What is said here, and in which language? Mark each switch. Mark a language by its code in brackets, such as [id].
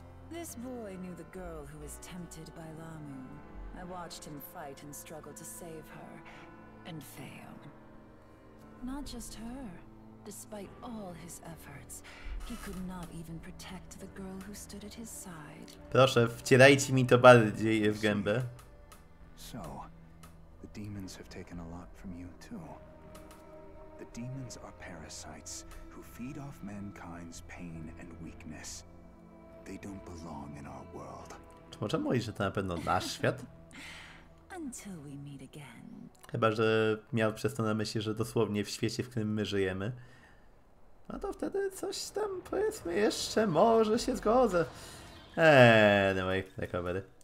[en] This boy knew the girl who was tempted by Lamu. I watched him fight and struggle to save her, and fail. Not just her. despite all his efforts, he could not even protect the girl who stood at his side. [pl] Proszę, wcierajcie mi to bardziej w gębę. [en] So, the demons have taken a lot from you too. The demons are parasites who feed off mankind's pain and weakness. They don't belong in our world. [pl] Czemu mówisz, że to na pewno nasz świat? [en] Until we meet again. [pl] Chyba, że miał przez to na myśli, że dosłownie w świecie, w którym my żyjemy. No to wtedy coś tam, powiedzmy, jeszcze może się zgodzę. [en] Anyway, [pl] tak obery.